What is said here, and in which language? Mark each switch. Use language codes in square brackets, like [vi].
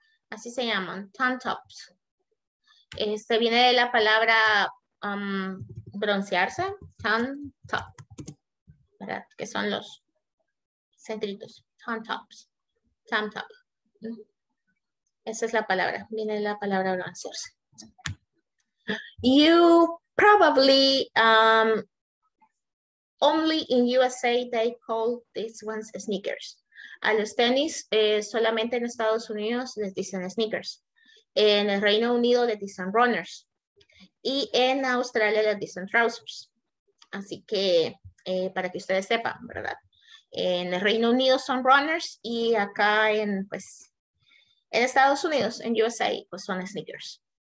[es] Así se llaman, tank tops. Este viene de la palabra broncearse, tank top. ¿Verdad? Que son los centritos, tank tops. Tank top. Esa es la palabra, viene de la palabra broncearse. [en] You probably only in USA they call these ones sneakers. [es] A los tenis, solamente en Estados Unidos les dicen sneakers. En el Reino Unido les dicen runners. Y en Australia les dicen trousers. Así que, para que ustedes sepan, ¿verdad? En el Reino Unido son runners y acá en, pues, en Estados Unidos, en USA, pues son sneakers.